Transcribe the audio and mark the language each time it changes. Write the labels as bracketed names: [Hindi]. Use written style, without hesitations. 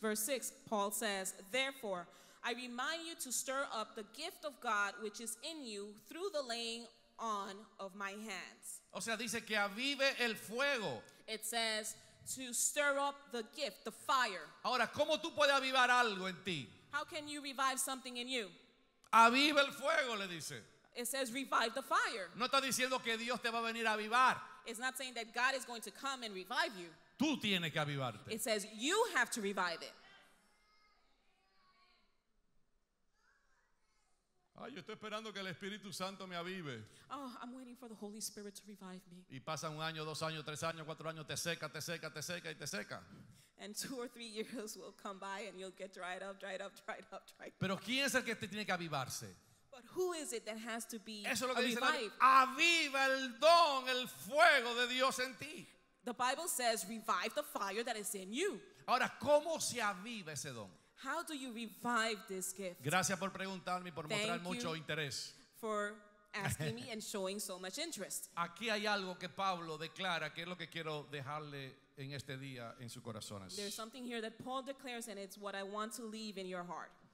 [English] Verse 6, Paul says, therefore I remind you to stir up the gift of God which is in you through the laying on of my hands. [Spanish] O sea, dice que avive el fuego. [English] It says to stir up the gift, the fire. [Spanish] Ahora, ¿cómo tú puedes avivar algo en ti? [English] How can you revive something in you? [Spanish] Avive el fuego, le dice. [English] It says revive the fire. [Spanish] No está diciendo que Dios te va a venir a avivar. [English] It's not saying that God is going to come and revive you. [Spanish] Tú tienes que avivarte. [English] It says you have to revive it. [Spanish] Ay, yo estoy esperando que el Espíritu Santo me avive. [English] Oh, I'm waiting for the Holy Spirit to revive me. [Spanish] Y pasa un año, dos años, tres años, cuatro años, te seca. [English] And two or three years will come by and you'll get dried up. [Spanish] Pero ¿quién es el que te tiene que avivarse? [English] But who is it that has to be [Spanish] Eso es lo que [English] revived? [Spanish] Dice, aviva el don, el fuego de Dios en ti. [English] The Bible says, revive the fire that is in you. [Spanish] Ahora, ¿cómo se aviva ese don? [English] How do you revive this gift? [Spanish] Gracias por preguntarme y por [English] Thank [Spanish] mostrar mucho interés. [English] For asking me and showing so much interest. [Spanish] Aquí hay algo que Pablo declara, que es lo que quiero dejarle en este día en sus corazones. [English] There's something here that Paul declares and it's what I want to leave in your heart.